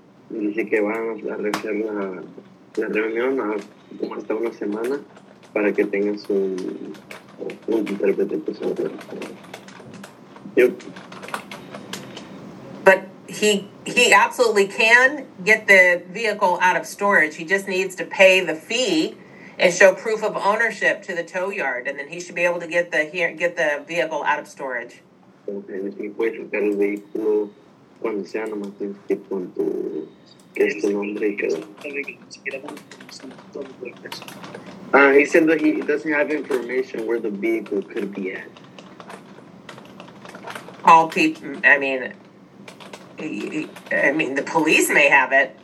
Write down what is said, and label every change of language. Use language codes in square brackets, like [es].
[es] Dice que van a hacer la reunión hasta una semana para que tengan su intérprete presente. [en] But he absolutely can get the vehicle out of storage. He just needs to pay the fee and show proof of ownership to the tow yard, and then he should be able to get the vehicle out of storage. [es] Okay, si puede sacar el vehículo Bueno, sea, nomás tienes que ir con tu... ¿Qué es tu nombre y qué? [en] He said that he doesn't have information where the vehicle could be at. All people, I mean, the police may have it.